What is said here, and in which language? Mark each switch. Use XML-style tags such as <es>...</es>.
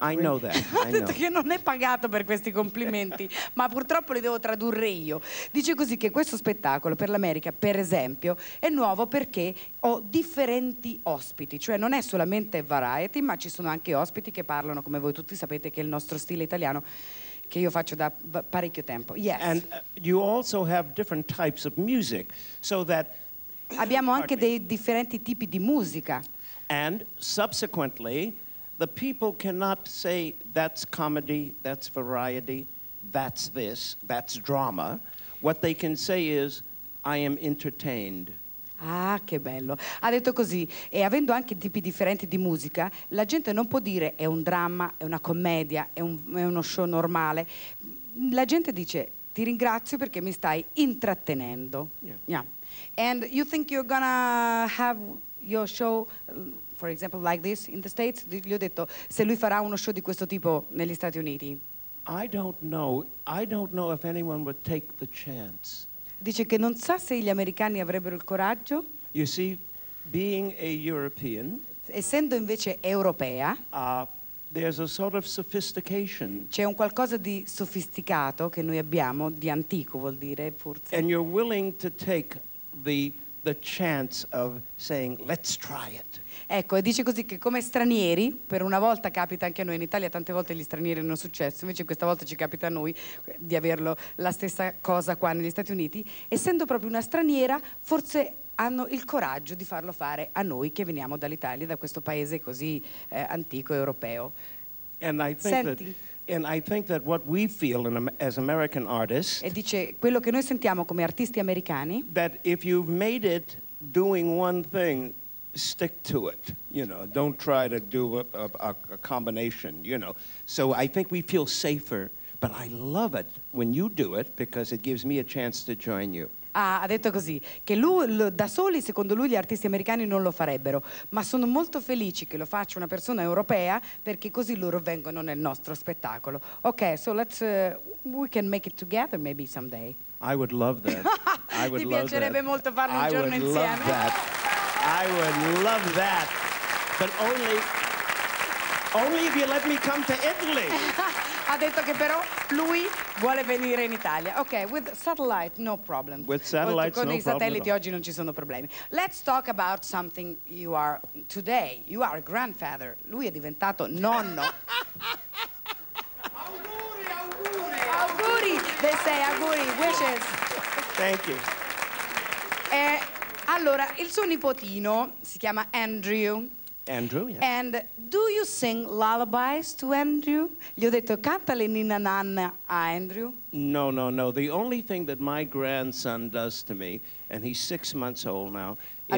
<en>I really. Know that.</en> <it>Ha detto che non è pagato per questi complimenti, ma purtroppo li devo tradurre io. Dice così che questo spettacolo per l'America, per esempio, è nuovo perché ho differenti ospiti, cioè non è solamente variety, ma ci sono anche ospiti che parlano, come voi tutti sapete, che è il nostro stile italiano. Che io faccio da parecchio tempo. Yes.</it> <en>And you also have different types of music, so that</en> <it>abbiamo anche dei differenti tipi di musica.</it> <en>And subsequently, the people cannot say that's comedy, that's variety, that's this, that's drama. What they can say is, I am entertained.</en> <it>Ah, che bello. Ha detto così, e avendo anche tipi differenti di musica, la gente non può dire è un dramma, è una commedia, è uno show normale. La gente dice, ti ringrazio perché mi stai intrattenendo.</it> <en>Yeah. Yeah. And you think you're gonna have your show, for example, like this in the States?</en> <it>Gli ho detto, se lui farà uno show di questo tipo negli Stati Uniti.</it> <en>I don't know if anyone would take the chance.</en> <it>Dice che non sa se gli americani avrebbero il coraggio.</it> <en>You see, being a European,</en> <it>essendo invece europea,</it> <en>there's a sort of sophistication.</en> <it>C'è un qualcosa di sofisticato che noi abbiamo, di antico vuol dire forse.</it> <en>And you're willing to take the chance of saying, let's try it.</en> <it>Ecco, e dice così che come stranieri, per una volta capita anche a noi in Italia, tante volte gli stranieri hanno successo, invece questa volta ci capita a noi di averlo la stessa cosa qua negli Stati Uniti, essendo proprio una straniera, forse hanno il coraggio di farlo fare a noi che veniamo dall'Italia, da questo paese così antico, europeo.</it> <en>And I think</en> <it>Senti.</it> <en>That And I think that what we feel in, as American artists.</en> <it>E dice quello che noi sentiamo come artisti americani.</it> <en>That if you've made it doing one thing, stick to it. You know, don't try to do a combination. You know, so I think we feel safer. But I love it when you do it because it gives me a chance to join you.</en> <it>Ah, ha detto così, che lui, da soli, secondo lui, gli artisti americani non lo farebbero, ma sono molto felici che lo faccia una persona europea, perché così loro vengono nel nostro spettacolo.</it> <en>Ok, so let's, we can make it together maybe someday. I would love that. I would</en> <it>ti piacerebbe</it> <en>love</en> <it>molto farlo un</it> <en>I</en> <it>giorno insieme.</it> <en>I would love that. I would love that. But only, only if you let me come to Italy.</en> <it>Ha detto che però lui vuole venire in Italia.</it> <en>Ok, with satellite no problem. With satellite no problem.</en> <it>Con i satelliti oggi non ci sono problemi.</it> <en>Let's talk about something you are today. You are a grandfather.</en> <it>Lui è diventato nonno. Auguri, auguri.</it> <en>Auguri. They say auguri, wishes. Thank you.</en> <it>Allora, il suo nipotino si chiama Andrew.</it> <en>Andrew, yeah. And do you sing lullabies to Andrew?</en> <it>Gli ho detto, cantale ninna nanna a Andrew.</it> <en>No, no, no. The only thing that my grandson does to me, and he's 6 months old now, is</en>